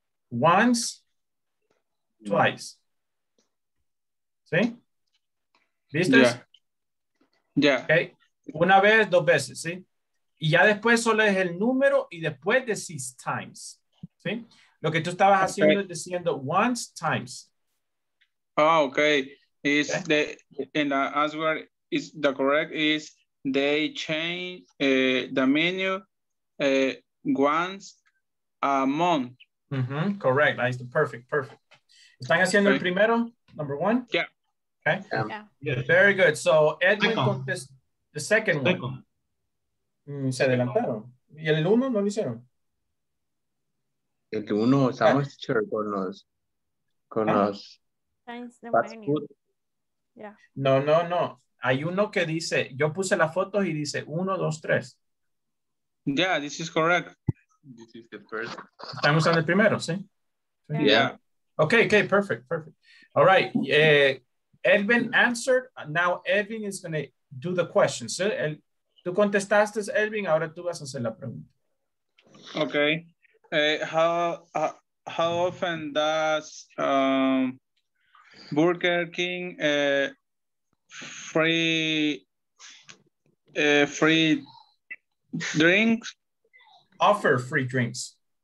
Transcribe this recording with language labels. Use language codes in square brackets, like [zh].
[en] Once, twice. [es] ¿Sí? ¿Viste? [en] Ya. Yeah. [es] Okay. Una vez, dos veces, ¿sí? Y ya después solo es el número y después decís times, ¿sí? Lo que tú estabas haciendo es diciendo [en] once times. Oh, okay. Is okay. The and the answer is the correct is they change the menu once a month. Mm-hmm. Correct. That is the perfect. [es] ¿Están haciendo el primero? [en] Number one? Yeah. Okay. Yeah. Very good. So Edwin [es] contestó. [en] The second one. [es] Se adelantaron. ¿Y el uno no lo hicieron? El uno estamos con los [en] fast food. Yeah. [es] No. Hay uno que dice, yo puse la foto y dice uno, dos, tres. [en] Yeah, this is correct. This is the first. [es] Están usando el primero, ¿sí? [en] Yeah. Okay, perfect. All right. Edwin answered. Now Edwin is going to do the question. [es] So, tú contestaste, Elvin, ahora tú vas a hacer la pregunta. [en] Okay. How often does Burger King offer free drinks?